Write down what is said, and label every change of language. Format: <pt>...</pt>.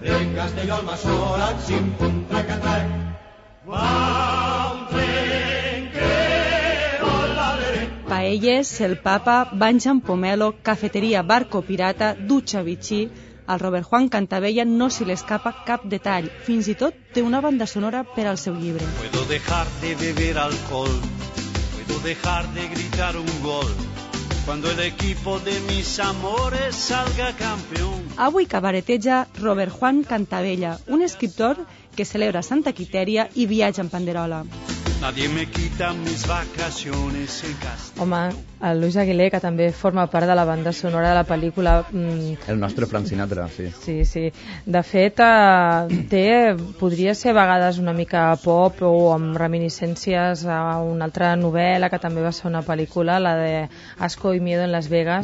<ca>En Castelló el Masol, a Ximpuntra, Catrac, va un tren que... Paelles, el Papa, banys amb pomelo, cafeteria Barco Pirata, dutxa Vichy... Al Robert Juan Cantavella no se li escapa cap detall. Fins i tot té una banda sonora per al seu llibre.</ca> <es>Puedo dejar de beber alcohol, puedo dejar de gritar un gol, cuando el equipo de mis amores salga campeón.</es> <ca>Avui cabareteja Robert Juan Cantavella, un escriptor que celebra Santa Quitèria i viatja en panderola.</ca> <es>Nadie me quita mis vacaciones en casa.</es> <ca>Home, el Luis Aguiler, que també forma part de la banda sonora de la pel·lícula... El nostre Frank Sinatra, sí. Sí, sí. De fet, té, podria ser a vegades una mica pop o amb reminiscències a una altra novel·la que també va ser una pel·lícula, la de Asco y Miedo en Las Vegas.</ca>